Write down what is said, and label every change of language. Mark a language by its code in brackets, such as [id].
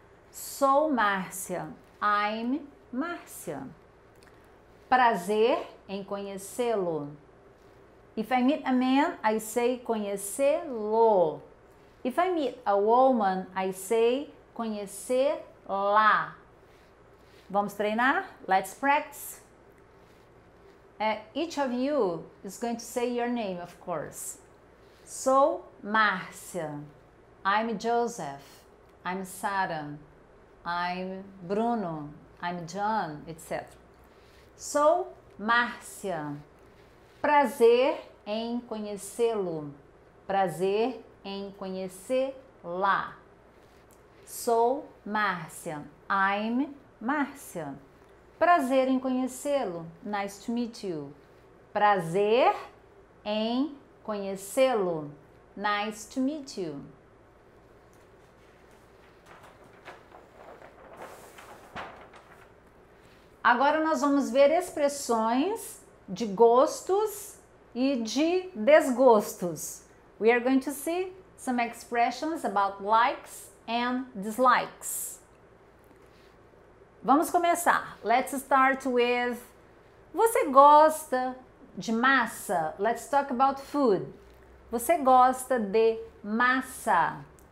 [pt] Sou Márcia. [en] I'm Márcia. [pt] Prazer em conhecê-lo. [en] If I meet a man, I say conhecê-lo. If I meet a woman, I say conhecê-la. [pt] Vamos treinar? [en] Let's practice. Each of you is going to say your name, of course. [pt] Sou Márcia. [en] I'm Joseph. I'm Sara. I'm Bruno. I'm John, etc. [pt] Sou Márcia. Prazer em conhecê-lo. Prazer em conhecê-la. Sou Márcia. [en] I'm Márcia, [pt] prazer em conhecê-lo. [en] Nice to meet you. [pt] Prazer em conhecê-lo. [en] Nice to meet you. [pt] Agora nós vamos ver expressões de gostos e de desgostos. [en] We are going to see some expressions about likes and dislikes. [pt] Vamos começar. [en] Let's start with... [pt] Você gosta de massa? [en] Let's talk about food. [pt] Você gosta de massa?